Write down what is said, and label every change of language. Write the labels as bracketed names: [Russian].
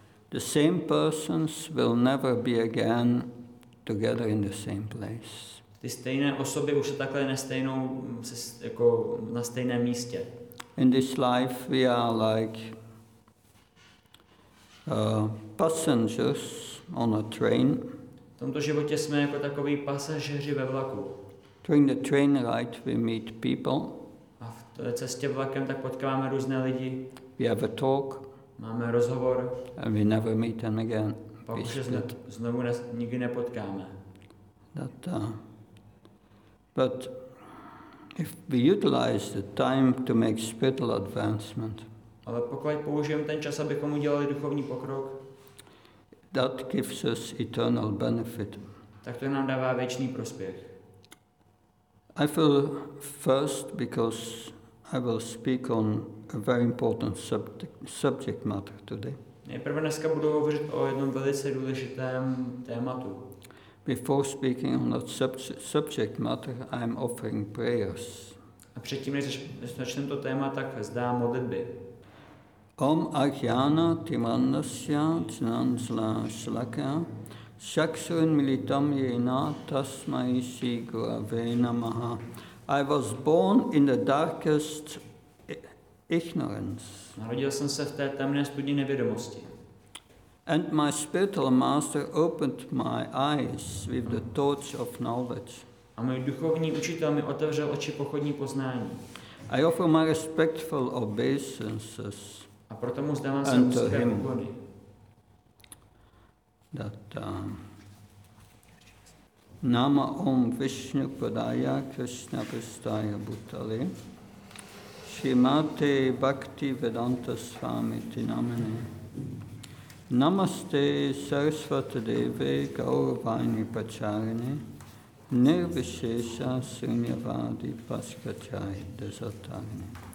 [English] The same persons will never be again together in the same place. [Czech] Ty stejné osoby už se takhle nestejnou jako na stejném místě. [English] In this life we are like passengers on a train. [Czech] V tomto životě jsme jako takoví pasažeři ve vlaku. [English] During the train ride we meet people. [Czech] A v cestě vlakem tak potkáváme různé lidi. [English] We have a talk. [Czech] Máme rozhovor. [English] And we never meet them again. [Czech] Pak už se znovu nikdy nepotkáme. [English] But if we utilize the time to make spiritual advancement. [Czech] Ale pokud použijeme ten čas, abychom udělali duchovní pokrok. [English] That gives us eternal benefit. [Czech] Tak to nám dává věčný prospěch. [English] I feel first because I will speak on a very important subject matter today. [Czech] Nejprve dneska budu hovořit o jednom velice důležitém tématu. [English] Before speaking on that subject matter, I'm offering prayers. [Czech] A předtím, než začnem to téma, tak vzdám modlitby. [Sanskrit] Om Ajnana Timanasya Jnanasla Shlaka Shakshun Militam Yena Tasmai Shri Gurave Namaha. [English] I was born in the darkest ignorance. [Czech] Narodil jsem se v té temné studni nevědomosti. [English] And my spiritual master opened my eyes with the torch of knowledge. [Czech] A můj duchovní učitel mi otevřel oči pochodní poznání. [English] I offer my respectful obeisances. [Czech] A proto mu zdávám své úzké úkony. [Sanskrit] That Nama Om Vishnu Padaya Krishna Prasthaya Bhutale Shrimate Bhakti Vedanta Swami Tinamane Namaste Sarasvata Deve Gauravani Pacharane Nirvishesha Srinivadi Paskachai Desatane.